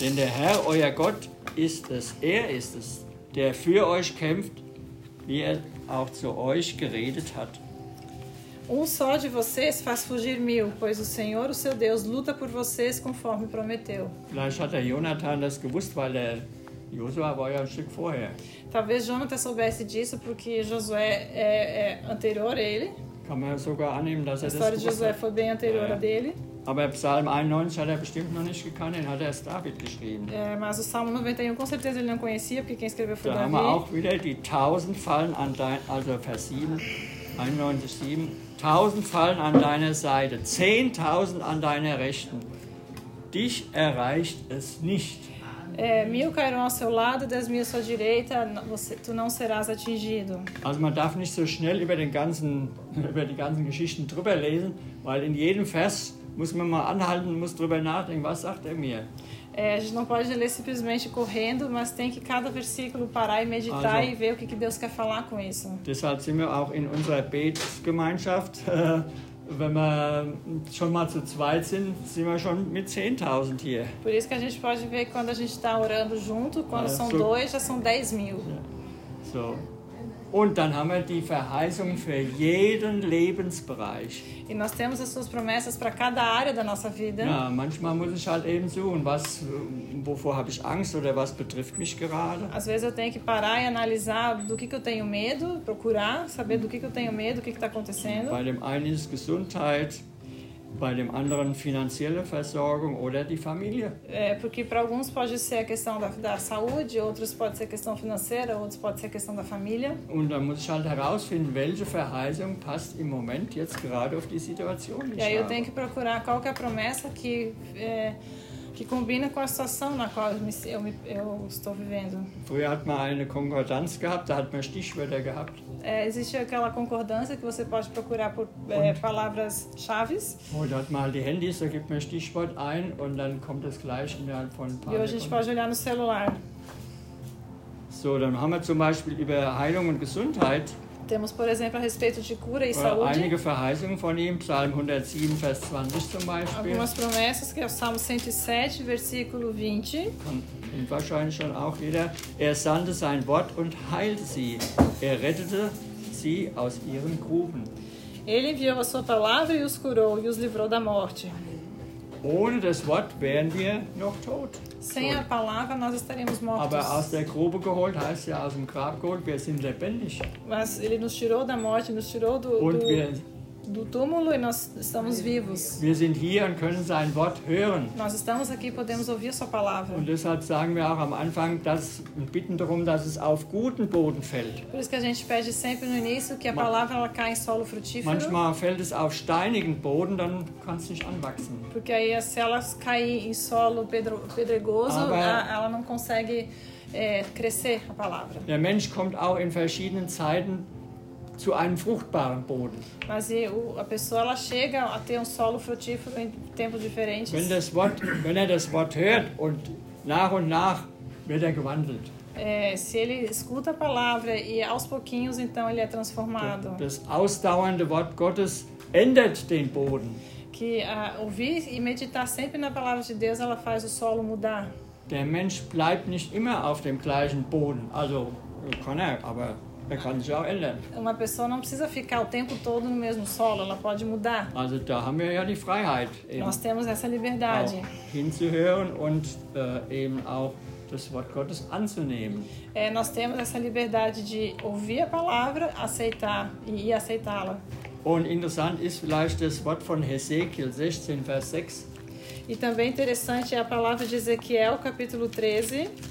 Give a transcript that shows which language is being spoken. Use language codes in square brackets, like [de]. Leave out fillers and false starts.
[de] Denn der Herr, euer Gott, ist es. Er ist es, der für euch kämpft, wie er auch zu euch geredet hat. [pt] Só de vocês faz fugir mil, pois o Senhor, o seu Deus, luta por vocês conforme prometeu. [de] Vielleicht hat der Jonathan das gewusst, weil der Josua war ja ein Stück vorher. [pt] Talvez Jonathan soubesse disso, porque Josué é anterior a ele. [de] Kann man sogar annehmen, dass er [pt] a história de Josué foi bem anterior a dele. [de] Aber Psalm 91 hat er bestimmt noch nicht gekannt, den hat erst David geschrieben. [pt] Mas o Salmo 91 com certeza ele não conhecia, porque quem escreveu foi da David. [de] Da haben wir auch wieder die 1000 fallen an dein, also Vers 7, 91, 7. 1000 fallen an deiner Seite, 10.000 an deiner Rechten. Dich erreicht es nicht. [pt] Mil cairão ao seu lado, 10.000 à sua direita, tu não serás atingido. [de] Also man darf nicht so schnell über die ganzen Geschichten drüber lesen, weil in jedem Vers muss man mal anhalten, muss drüber nachdenken, was sagt er mir? [pt] A gente não pode ler simplesmente correndo, mas tem que cada versículo parar e meditar [de] also, [pt] e ver o que Deus quer falar com isso. [de] Deshalb sind wir auch in unserer Betgemeinschaft. Wenn wir schon mal zu zweit sind, sind wir schon mit 10.000 hier. [pt] Por isso que a gente pode ver quando a gente está orando junto, quando são dois, já são 10.000. [de] So. Und dann haben wir die Verheißung für jeden Lebensbereich. [pt] E nós temos as suas promessas para cada área da nossa vida. [de] Ja, manchmal muss ich halt eben suchen, wovor habe ich Angst oder was betrifft mich gerade. [pt] Às vezes eu tenho que parar e analisar do que eu tenho medo, procurar saber do que eu tenho medo, o que está acontecendo. [de] Bei dem einen ist Gesundheit, bei dem anderen finanzielle Versorgung oder die Familie. [pt] Porque para alguns pode ser a questão da saúde, outros pode ser a questão financeira, outros pode ser a questão da família. [de] Und dann muss ich halt herausfinden, welche Verheißung passt im Moment jetzt gerade auf die Situation. [pt] E aí eu tenho que procurar qual que é a promessa que combina com a situação na qual eu estou vivendo. [de] Früher hat man eine Konkordanz gehabt, da hat man Stichwörter gehabt. [pt] Existe aquela concordância que você pode procurar por palavras-chave. [de] Da hat man halt die Handys, da gibt man Stichwort ein und dann kommt das gleich innerhalb von ein paar Sekunden. [pt] E hoje a gente pode olhar no celular. [de] So, dann haben wir zum Beispiel über Heilung und Gesundheit. [pt] Temos, por exemplo, a respeito de cura e saúde. [de] Einige Verheißungen von ihm, Psalm 107, Vers 20 zum Beispiel. [pt] Algumas promessas, que é o Salmo 107, versículo 20. [de] Und wahrscheinlich schon auch jeder. Er sandte sein Wort und heilte sie. Er rettete sie aus ihren Gruben. [pt] Ele enviou a sua palavra e os curou e os livrou da morte. [de] Ohne das Wort wären wir noch tot. [pt] Sem a palavra nós estaremos mortos. [de] Aber aus der Grube geholt heißt ja aus dem Grab geholt, wir sind lebendig. [pt] Mas ele nos tirou da morte, nos tirou do [de] Und wir [pt] do túmulo e nós estamos vivos. [de] Wir sind hier und können sein Wort hören. [pt] Nós estamos aqui e podemos ouvir sua palavra. [de] Und deshalb sagen wir auch am Anfang, dass und bitten darum, dass es auf guten Boden fällt. [pt] Por isso que a gente pede sempre no início que a palavra ela cai em solo frutífero. [de] Manchmal fällt es auf steinigen Boden, dann kann es nicht anwachsen. [pt] Porque aí se ela cair em solo pedregoso, ela não consegue crescer a palavra. [de] Der Mensch kommt auch in verschiedenen Zeiten zu einem fruchtbaren Boden. [pt] Mas a pessoa ela chega a ter solo frutífero em tempos diferentes. [de] Wenn das Wort, wenn er das Wort hört und nach wird er gewandelt. [pt] Se ele escuta a palavra e aos pouquinhos então ele é transformado. [de] Das ausdauernde Wort Gottes ändert den Boden. [pt] Que ouvir e meditar sempre na palavra de Deus, ela faz o solo mudar. [de] Der Mensch bleibt nicht immer auf dem gleichen Boden. Also kann er, aber er kann sich auch ändern. [pt] Uma pessoa não precisa ficar o tempo todo no mesmo solo, ela pode mudar. [de] Also da haben wir ja die Freiheit. [pt] Nós temos essa liberdade. [de] Auch hinzuhören und eben auch das Wort Gottes anzunehmen. [pt] Nós temos essa liberdade de ouvir a palavra, aceitar e aceitá-la. [de] Und interessant ist vielleicht das Wort von Hesekiel 16, Vers 6. [pt] E também interessante é a palavra de Ezequiel, capítulo 13.